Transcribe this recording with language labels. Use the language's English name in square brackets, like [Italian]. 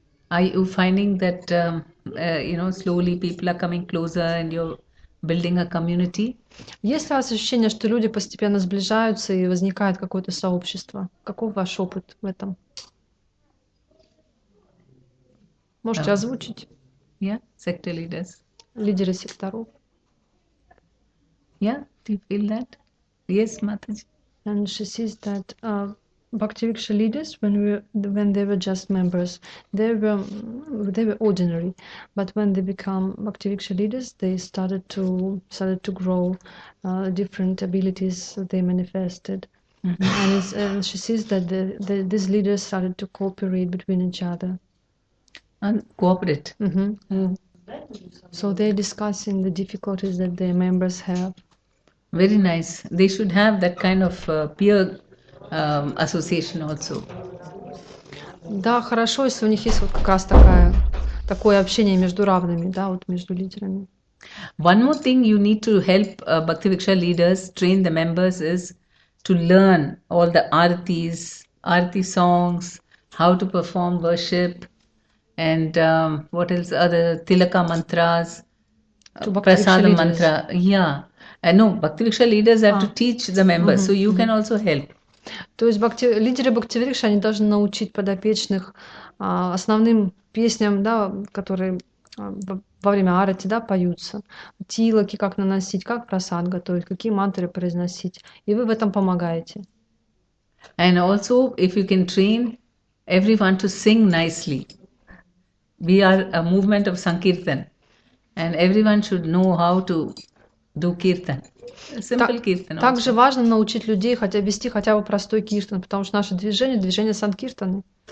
[English] Are you finding that you know, slowly people are coming closer and you're building a community? [Russian] Есть ли у вас ощущение, что люди постепенно сближаются и возникает какое-то сообщество? Каков ваш опыт в этом? Можете озвучить? [English] Yeah, sector leaders. [Russian] Лидеры секторов. [English] Yeah, do you feel that? Yes, Mataji. And she says that Bhakti Vriksha leaders, when they were just members, they were ordinary. But when they become Bhakti Vriksha leaders, they started to grow different abilities they manifested. Mm-hmm. And she sees that these leaders started to cooperate between each other. And cooperate. Mm-hmm. Mm. So they're discussing the difficulties that their members have. Very nice. They should have that kind of peer association also. [Russian] Да, хорошо, если у них есть вот как раз такое общение между равными, да, вот между лидерами. [English] One more thing you need to help Bhakti Vriksha leaders train the members is to learn all the aartis, aarti songs, how to perform worship, and what else? Other tilaka mantras, prasada mantra. Yeah, and no, Bhakti Vriksha leaders have to teach the members, mm-hmm. so you mm-hmm. can also help. [Russian] То есть лидеры Бхакти Вриксха, они должны научить подопечных основным песням, да, которые во время арати, да, поются. Тилаки как наносить, как прасад готовить, какие мантры произносить. И вы в этом помогаете. [English] And also, if you can train everyone to sing nicely, we are a movement of Sankirtan, and everyone should know how to do Kirtan. Simple Kirtan. [Russian] Также важно научить людей хотя вести хотя бы простой Киртан, потому что наше движение — движение Санкиртаны.